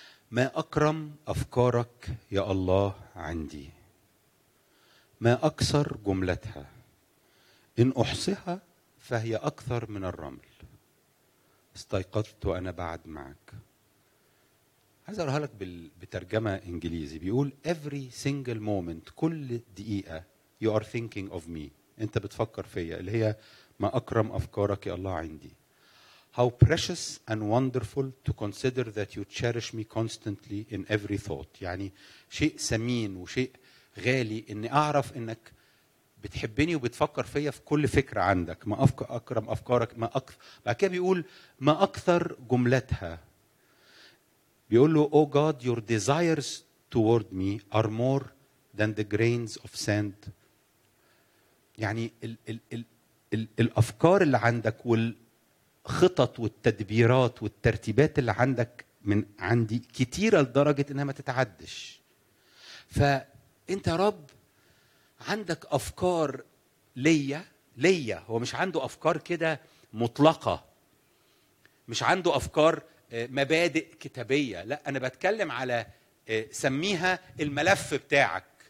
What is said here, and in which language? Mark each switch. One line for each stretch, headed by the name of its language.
Arabic: ما أكرم أفكارك يا الله عندي، ما أكثر جملتها، إن أحصها فهي أكثر من الرمل، استيقظت وأنا بعد معك. عايز أقولها لك بترجمة إنجليزي، بيقول
English: every single moment،
Arabic: كل دقيقة
English: You are thinking of me.
Arabic: أنت بتفكر فيها، اللي هي ما أكرم أفكارك يا الله عندي.
English: How precious and wonderful to consider that you cherish me constantly in every thought.
Arabic: يعني شيء سمين وشيء غالي أني أعرف أنك بتحبني وبتفكر فيها في كل فكرة عندك. ما أكرم أفكارك، ما أكثر. بعد كده بيقول ما أكثر جملتها. بيقول له
English: Oh God, your desires toward me are more than the grains of sand.
Arabic: يعني الـ الـ الـ الـ الأفكار اللي عندك والخطط والتدبيرات والترتيبات اللي عندك من عندي كتيرة لدرجة إنها ما تتعدش. فأنت رب عندك أفكار ليا، هو مش عنده أفكار كده مطلقة، مش عنده أفكار مبادئ كتابية، لا، أنا بتكلم على سميها الملف بتاعك.